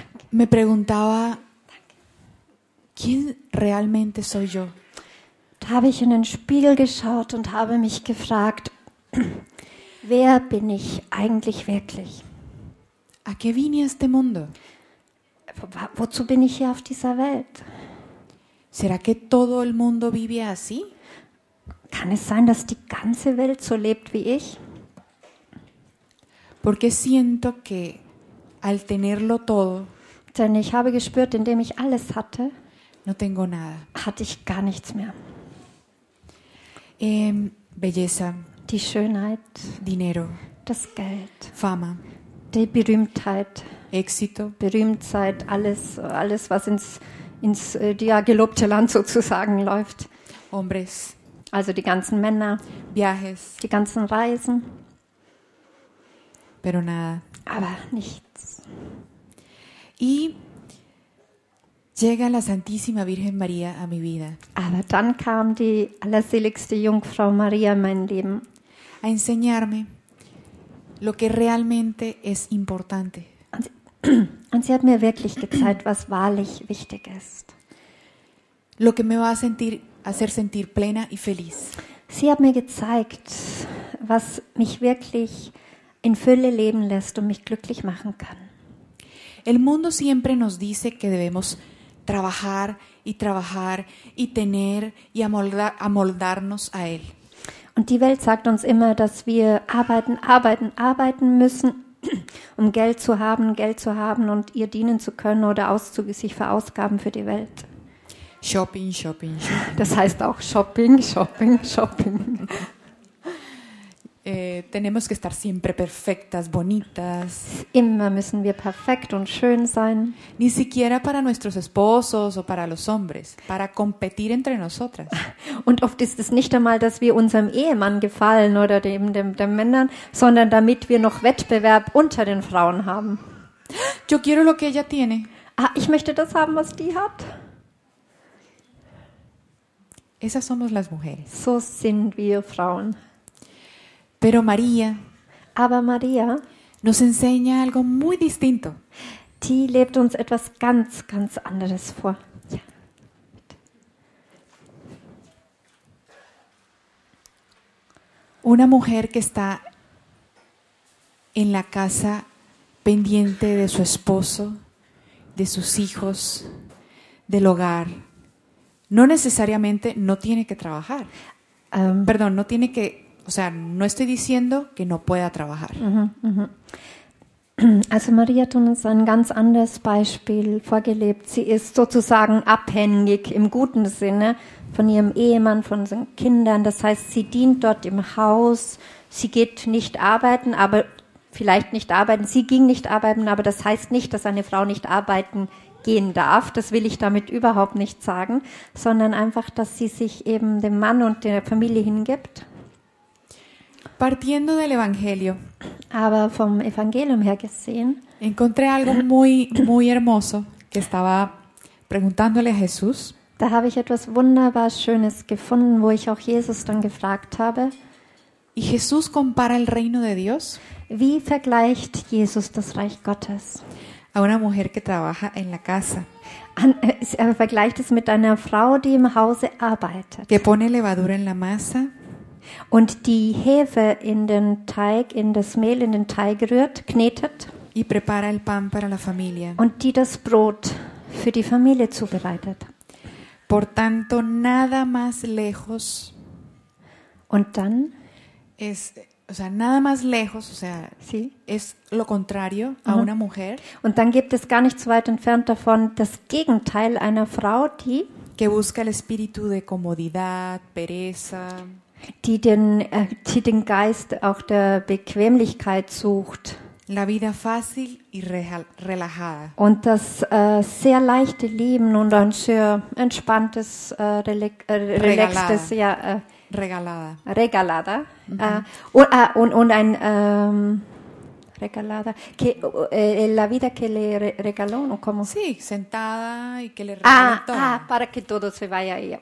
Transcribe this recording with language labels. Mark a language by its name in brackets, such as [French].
[Spanish] Me preguntaba, ¿quién realmente soy yo? [German] Da habe ich in den Spiegel geschaut und habe mich gefragt, wer bin ich eigentlich wirklich? [Spanish] ¿A qué vine a este mundo? [German] Wozu bin ich hier auf dieser Welt? [Spanish] ¿Será que todo el mundo vive así? [German] Kann es sein, dass die ganze Welt so lebt wie ich? [Spanish] Porque siento que al tenerlo todo, [German] denn ich habe gespürt, indem ich alles hatte, [Spanish] no tengo nada. [German] Hatte ich gar nichts mehr. [Spanish] Belleza, [German] die Schönheit, [Spanish] dinero, [German] das Geld, [Spanish] fama, [German] die Berühmtheit, [Spanish] éxito, [German] Berühmtheit, alles was ins ja, gelobte Land sozusagen läuft. [Spanish] Hombres. [German] Also die ganzen Männer, [Spanish] viajes, [German] die ganzen Reisen, [Spanish] pero nada. [German] Aber nichts. [Spanish] Y llega la Santísima Virgen María a mi vida. [German] Aber dann kam die allerseligste Jungfrau Maria in mein Leben. [Spanish] A enseñarme lo que realmente es importante. [German] Und sie hat mir wirklich gezeigt, was wahrlich wichtig ist. [Spanish] Lo que me va a sentir hacer sentir plena y feliz. [German] Sie hat mir gezeigt, was mich wirklich in Fülle leben lässt und mich glücklich machen kann. [Spanish] El mundo siempre nos dice que debemos trabajar y trabajar y tener y amoldarnos a él. [German] Und die Welt sagt uns immer, dass wir arbeiten, arbeiten, arbeiten müssen, um Geld zu haben und ihr dienen zu können oder sich verausgaben für die Welt. [English] Shopping, shopping, shopping. [German] Das heißt auch Shopping, Shopping, Shopping. [Spanish] Tenemos que estar siempre perfectas, bonitas. [German] Immer müssen wir perfekt und schön sein. [Spanish] Ni siquiera para nuestros esposos o para los hombres, para competir entre nosotras. [German] Und oft ist es nicht einmal, dass wir unserem Ehemann gefallen oder den Männern, sondern damit wir noch Wettbewerb unter den Frauen haben. [Spanish] Yo quiero lo que ella tiene. [German] Ah, ich möchte das haben, was die hat. [Spanish] Esas somos las mujeres. [German] So sind wir Frauen. [Spanish] Pero María, [German] aber María [Spanish] nos enseña algo muy distinto. [German] Die lebt uns etwas ganz, ganz anderes vor. Ja. [Spanish] Una mujer que está en la casa pendiente de su esposo, de sus hijos, del hogar. No necesariamente no tiene que trabajar. Perdón, no tiene que, o sea, no estoy diciendo que no pueda trabajar. [German] Also María tun uns ein ganz anderes Beispiel vorgelebt. Sie ist sozusagen abhängig im guten Sinne von ihrem Ehemann, von seinen Kindern. Das heißt, sie dient dort im Haus. Sie geht nicht arbeiten, aber vielleicht nicht arbeiten. Sie ging nicht arbeiten, aber das heißt nicht, dass eine Frau nicht arbeiten gehen darf, das will ich damit überhaupt nicht sagen, sondern einfach, dass sie sich eben dem Mann und der Familie hingibt. [Spanish] Partiendo del Evangelio. [German] Aber vom Evangelium her gesehen. [Spanish] Encontré algo muy, muy hermoso que estaba preguntándole a Jesús. [German] Da habe ich etwas wunderbar Schönes gefunden, wo ich auch Jesus dann gefragt habe. [Spanish] Y Jesús compara el reino de Dios. [German] Wie vergleicht Jesus das Reich Gottes? [Spanish] A una mujer que trabaja en la casa. [German] Er vergleicht es mit einer Frau, die im Hause arbeitet. [Spanish] Que pone levadura en la masa. [German] Und die Hefe in den Teig, in das Mehl, in den Teig rührt, knetet. [Spanish] Y prepara el pan para la familia. [German] Und die das Brot für die Familie zubereitet. [Spanish] Por tanto, nada más lejos. [German] Und dann? [Spanish] O sea, nada más lejos, o sea, sí, es lo contrario a una mujer. [German] Und dann gibt es gar nicht so weit entfernt davon das Gegenteil einer Frau, die [Spanish] que busca el espíritu de comodidad, pereza, [German] die den Geist auch der Bequemlichkeit sucht. [Spanish] La vida fácil y relajada. [German] Und das sehr leichte Leben und ein sehr entspanntes, relaxtes, ja. [Spanish] Regalada. Mm-hmm. [German] Und ein [Spanish] regalada que la vida que le regaló, ¿no? Como sí, sentada y que le regaló. Ah, para que todo se vaya ahí.